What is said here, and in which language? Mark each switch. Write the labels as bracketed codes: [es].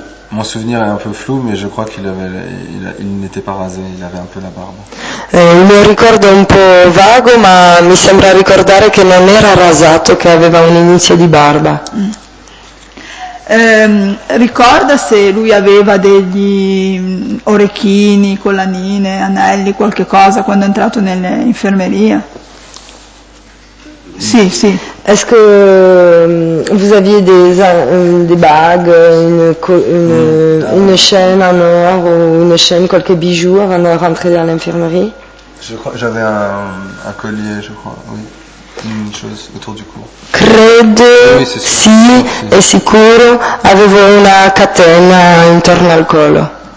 [fr] Mon souvenir est un peu flou, mais je crois qu'il n'était pas rasé, il avait un peu la barba. [it] Il me ricordo un po' vago, ma mi sembra ricordare che non era rasato, che aveva un inizio di barba. Ricorda se lui aveva degli orecchini, collanine, anelli, qualche cosa quando è entrato nell'infermeria? Sì, sì. [fr] Est-ce que vous aviez des bagues, une chaîne en or ou une chaîne, quelques bijoux avant de rentrer dans l'infirmerie? Je crois, j'avais un collier, je crois, oui. Une chose autour du cou. [it] Credo, sì, è sicuro, avevo una catena intorno al collo.